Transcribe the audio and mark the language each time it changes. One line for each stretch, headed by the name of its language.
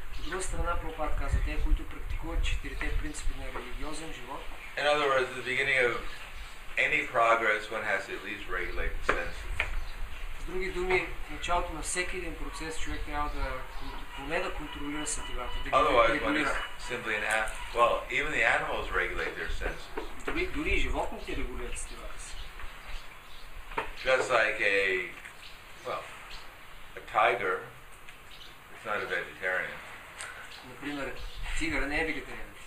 English: In other words, at the beginning of any progress, one has to at least regulate the senses.
Bulgarian: С други думи, в началото на всеки един процес човек трябва да поне да контролира сетивата, да ги регулира.
English: Well, even the animals regulate their senses.
Bulgarian: Дори животните регулират сетивата си.
English: Just like a tiger, it's not a vegetarian.
Bulgarian: Например, тигър не е вегетариан.